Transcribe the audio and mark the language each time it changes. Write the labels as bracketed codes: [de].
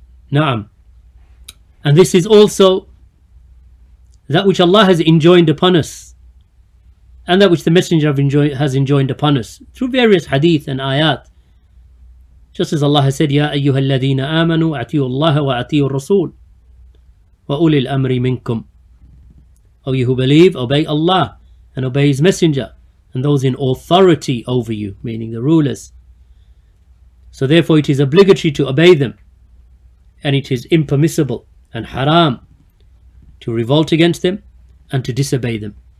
[en] Naam. And this is also that which Allah has enjoined upon us, and that which the Messenger has enjoined upon us through various hadith and ayat. Just as Allah has said, [ar] يَا أَيُّهَا الَّذِينَ آمَنُوا أَعْتِيُوا اللَّهَ وَأَعْتِيُوا الرَّسُولَ وَأُولِي الْأَمْرِ مِنْكُمْ. [en] O you who believe, obey Allah and obey His Messenger and those in authority over you, meaning the rulers. So therefore it is obligatory to obey them, and it is impermissible and haram to revolt against them and to disobey them.